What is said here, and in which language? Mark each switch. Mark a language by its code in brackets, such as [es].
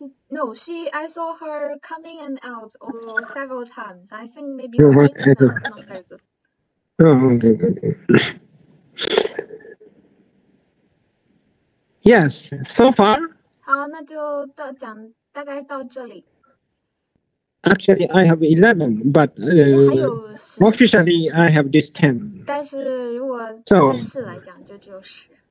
[en] No, she, I saw her coming in and out several times. I think maybe her internet is not very good. Yes, so far. [zh] 好，那就到讲大概到这里。 [en] Actually, I have 11, but officially, I have this 10. [zh] 但是如果正式来讲，就只有十。